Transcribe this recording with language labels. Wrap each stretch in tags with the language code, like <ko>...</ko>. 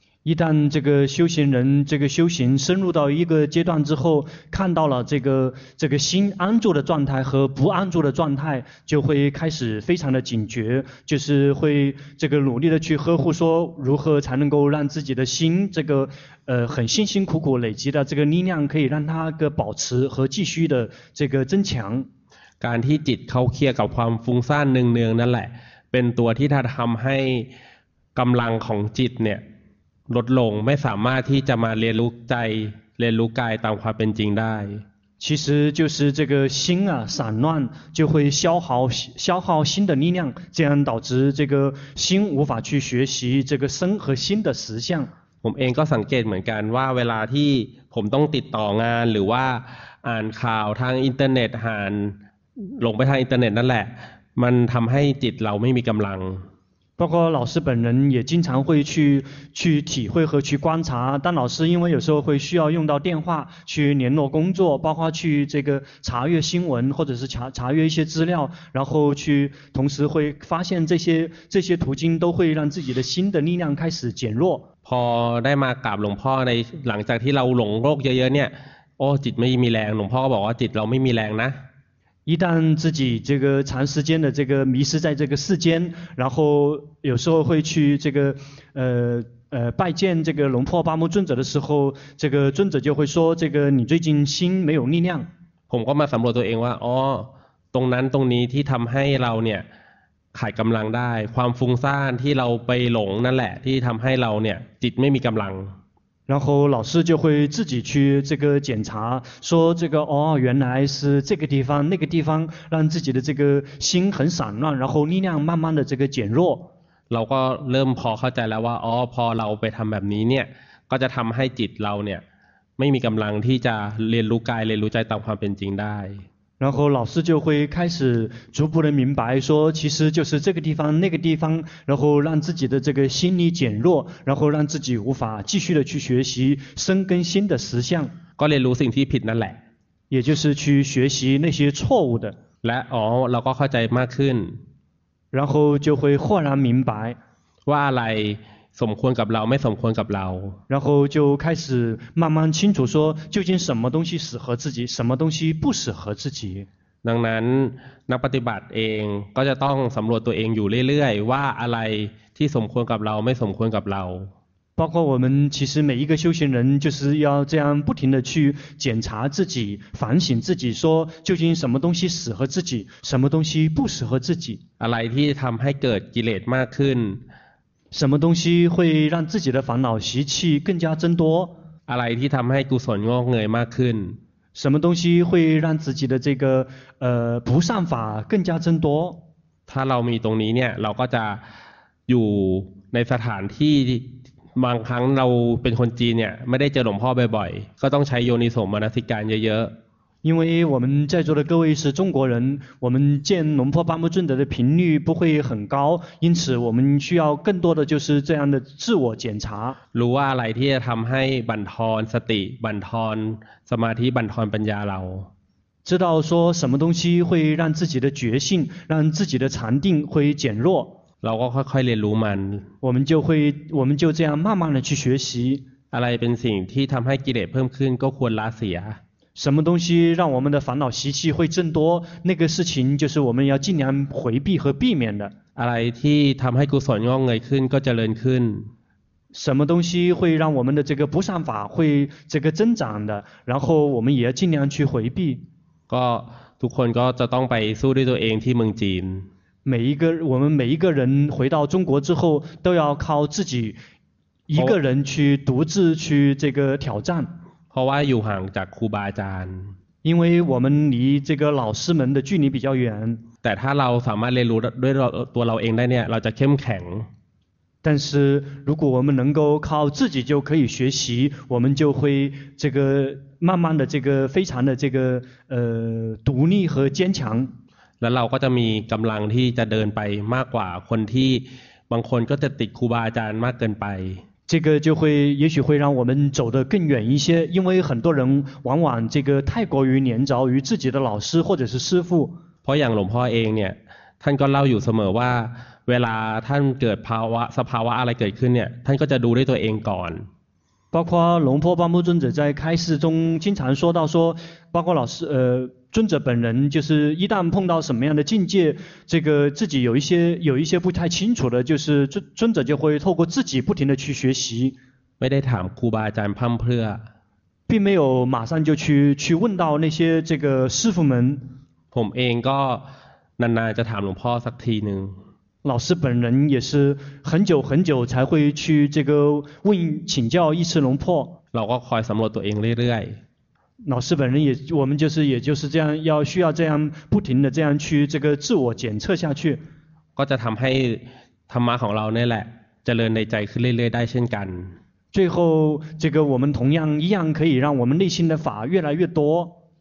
<zh>一旦这个修行人这个修行深入到一个阶段之后看到了这个心安住的状态和不安住的状态就会开始非常的警觉就是会这个努力的去呵护说如何才能够让自己的心这个很辛辛苦苦累积的这个力量可以让它个保持和继续的这个增强</zh> <th>การที่จิตเข้าเครียดกับความฟุ้งซ่านเนืองๆนั่นแหละเป็นตัวที่ทำให้กำลังของจิตเนี่ยลดลงไม่สามารถที่จะมาเรียนรู้ใจเรียนรู้กายตามความเป็นจริงได้</th> <zh>其实就是这个心啊散乱就会消耗心的力量这样导致这个心无法去学习这个身和心的实相</zh> <th>ผมเองก็สังเกตเหมือนกันว่าเวลาที่ผมต้องติดต่องานหรือว่าอ่านข่าวทางอินเทอร์เน็ตหันลงไปทางอินเทอร์เน็ตนั่นแหละมันทำให้จิตเราไม่มีกำลัง</th> <zh>包括老师本人也经常会去体会和去观察但老师因为有时候会需要用到电话去联络工作包括去这个查阅新闻或者是查阅一些资料然后去同时会发现这些途径都会让自己的心的力量开始减弱</zh> <th>พอได้มากราบหลวงพ่อในหลังจากที่เราหลงโลกเยอะๆเนี่ยโอ้จิตไม่มีแรงหลวงพ่อก็บอกว่าจิตเราไม่มีแรงนะ</th> <zh>一旦自己这个长时间的这个迷失在这个世间然后有时候会去这个拜见这个龙破八木尊者的时候这个尊者就会说这个你最近心没有力量</zh> <th>ผมก็มาสำรวจตัวเองว่าอ๋อตรงนั้นตรงนี้ที่ทำให้เราเนี่ยขาดกำลังได้ความฟุ้งซ่านที่เราไปหลงนั่นแหละที่ทำให้เราเนี่ยจิตไม่มีกำลัง</th> <zh>然后老师就会自己去这个检查说这个哦原来是这个地方那个地方让自己的这个心很散乱然后力量慢慢的这个减弱</zh> <th>เราก็เริ่มพอเข้าใจแล้วว่าอ๋อพอเราไปทำแบบนี้เนี่ยก็จะทำให้จิตเราเนี่ยไม่มีกำลังที่จะเรียนรู้กายเรียนรู้ใจตามความเป็นจริงได้</th> <zh>然后老师就会开始逐步的明白说其实就是这个地方那个地方然后让自己的这个心理减弱然后让自己无法继续的去学习生根心的实相</zh> <th>ก็เรียนรู้สิ่งที่ผิดนั่นแหละ</th> <zh>也就是去学习那些错误的</zh> <th>และอ๋อเราก็เข้าใจมากขึ้น</th> <zh>然后就会豁然明白</zh> <th>ว่าอะไรสมควรกับเราไม่สมควรกับเรา</th> <zh>然后就开始慢慢清楚说究竟什么东西适合自己什么东西不适合自己</zh> <th>ดังนั้นนักปฏิบัติเองก็จะต้องสำรวจตัวเองอยู่เรื่อยๆว่าอะไรที่สมควรกับเราไม่สมควรกับเรา</th> <zh>包括我们其实每一个修行人就是要这样不停地去检查自己反省自己说究竟什么东西适合自己什么东西不适合自己</zh> <th>อะไรที่ทำให้เกิดกิเลสมากขึ้น</th> <zh>什么东西会让自己的烦恼习气更加增多</zh> <th>อะไรที่ทำให้กุศลงอกเงยมากขึ้น</th> <zh>什么东西会让自己的这个不善法更加增多</zh> <th>ถ้าเรามีตรงนี้เนี่ยเราก็จะอยู่ในสถานที่บางครั้งเราเป็นคนจีนเนี่ยไม่ได้เจอหลวงพ่อบ่อยๆก็ต้องใช้โยนิโสมนสิการเยอะ</th> <zh>ๆ因为我们在座的各位是中国人我们见龙婆巴木尊者的频率不会很高因此我们需要更多的就是这样的自我检查</zh> <th>รู้ว่าอะไรที่จะทำให้บั่นทอนสติบั่นทอนสมาธิบั่นทอนปัญญาเรา</th> <zh>知道说什么东西会让自己的觉性让自己的禅定会减弱</zh> <th>เราก็ค่อยๆเรียนรู้มัน</th> <zh>我们就这样慢慢的去学习</zh> <th>อะไรเป็นสิ่งที่ทำให้กิเลสเพิ่มขึ้นก็ควรละเสีย</th> <zh>什么东西让我们的烦恼习气会增多那个事情就是我们要尽量回避和避免的</zh> <th>อะไรที่ทำให้กุศลงอกเงยขึ้นก็เจริญขึ้น</th> <zh>什么东西会让我们的这个不善法会这个增长的然后我们也要尽量去回避</zh> <th>ก็ทุกคนก็จะต้องไปสู้ด้วยตัวเองที่เมืองจีน วันไหนก็เรียนหวยดาวจงกัวจู้ต้องเอาเข้าจิจิอีกเรียนชื่อดูจิชื่อเจ๊ก็เถียวจัน เพราะว่าอยู่ห่างจากครูบาอาจารย์</th> <zh>因为我们离这个老师们的距离比较远</zh> <th>แต่ถ้าเราสามารถเรียนรู้ด้วยตัวเราเองได้เนี่ยเราจะเข้มแข็ง</th> <zh>但是如果我们能够靠自己就可以学习我们就会这个慢慢的这个非常的这个独立和坚强</zh> <th>แล้วเราก็จะมีกำลังที่จะเดินไปมากกว่าคนที่บางคนก็จะติดครูบาอาจารย์มากเกินไป</th> <zh>这个就会也许会让我们走得更远一些因为很多人往往这个太过于黏着于自己的老师或者是师父</zh> <th>เพราะอย่างหลวงพ่อเองเนี่ยท่านก็เล่าอยู่เสมอว่าเวลาท่านเกิดภาวะสภาวะอะไรเกิดขึ้นเนี่ยท่านก็จะดูด้วยตัวเองก่อน</th> <zh>包括龙婆巴木尊者在开示中经常说到说包括老师尊者本人就是一旦碰到什么样的境界这个自己有一些不太清楚的就是尊者就会透过自己不停的去学习</zh> <th>ไม่ได้ถามครูบาอาจารย์พร่ำเพรื่อ</th> <zh>并没有马上就去问到那些这个师父们</zh> <th>ผมเองก็นานๆจะถามหลวงพ่อสักทีนึง</th> <zh>老师本人也是很久很久才会去这个问请教一次龙婆</zh> <th>เราก็คอยสำรวจตัวเองเรื่อยๆ</th> <zh>老师本人也我们就是也就是这样要需要这样不停的这样去这个自我检测下去</zh> <th>ก็จะทำให้ธรรมะของเราเนี่ยแหละเจริญในใจขึ้นเรื่อยๆได้เช่นกัน</th> <zh>最后这个我们同样一样可以让我们内心的法越来越多</zh>